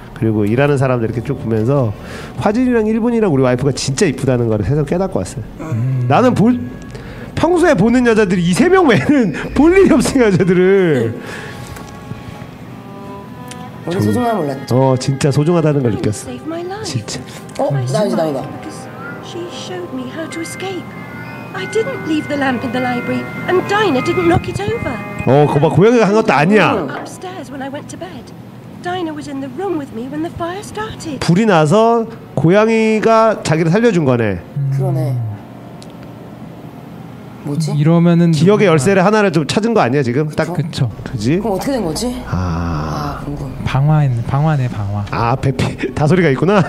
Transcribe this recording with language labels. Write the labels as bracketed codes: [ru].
[ko] 그리고 일하는 사람들 이렇게 쭉 보면서 화질이랑 일본이랑 우리 와이프가 진짜 이쁘다는 걸 새삼 깨닫고 왔어요. 나는 볼 평소에 보는 여자들이 이 세 명 외에는 볼 일이 없으니 여자들을 우리 소중함 몰랐죠. 어, 진짜 소중하다는 걸 느꼈어. 진짜. 어, 나이다. [en] She showed me how to escape. I didn't leave the lamp in the library, and Dinah didn't knock it over. [ko] 어, 그 봐, 고양이가 한 것도 아니야. [en] Upstairs when I went to bed, Dinah was in the room with me when the fire started. [ko] 불이 나서 고양이가 자기를 살려준 거네. 그러네. 뭐지? 이러면은 기억의 열쇠를 하나를 좀 찾은 거 아니야 지금? 딱 그쵸. 그지? 그럼 어떻게 된 거지? 아, 궁금. 방화했네. 방화네, 방화. 아, 배피 다소리가 있구나.